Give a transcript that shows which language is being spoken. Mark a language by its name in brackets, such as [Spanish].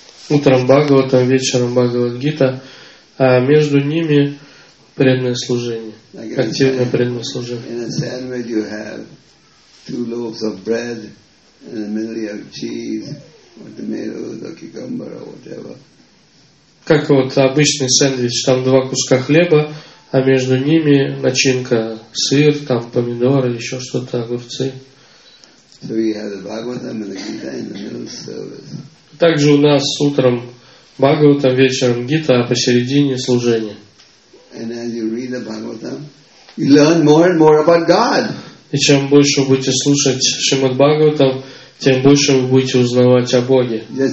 [Russian] Утром Бхагаватам, вечером Бхагавад-гита, а между ними преданное служение. Активное преданное служение. [English] Two loaves of bread and in the middle you have cheese or tomatoes or cucumber or whatever. [Russian] Как вот обычный сэндвич, там два куска хлеба, а между ними начинка, сыр, там помидоры, еще что-то, огурцы. [English] So we have the Bhagavatam and the Gita in the middle service. [Russian] Также у нас утром Бхагаватам, вечером Гита, а посередине служение. [English] And as you read the Bhagavatam, you learn more and more about God. [Russian] И чем больше вы будете слушать Шримад Бхагаватам, тем больше вы будете узнавать о Боге.